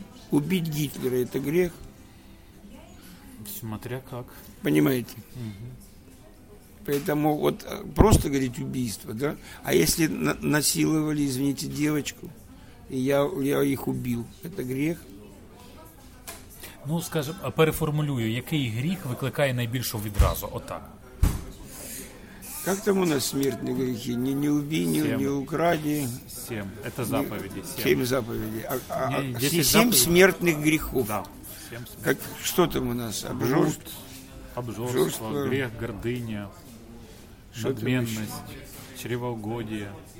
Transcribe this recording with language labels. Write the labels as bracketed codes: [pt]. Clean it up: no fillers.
[ru] Убить Гитлера – это грех. Смотря как. Понимаете? Угу. Поэтому вот просто говорить убийство, да? А если насиловали, извините, девочку, и я их убил – это грех? Ну, скажем, [uk] переформулюю, який гріх викликає найбільшу відразу? Отак. [ru] Как там у нас смертные грехи? Не убий, не укради. Семь. Это заповеди. Семь заповедей. Семь смертных грехов. Да. Как, что там у нас? Обжорство. Обжорство, грех, гордыня, надменность, чревоугодие.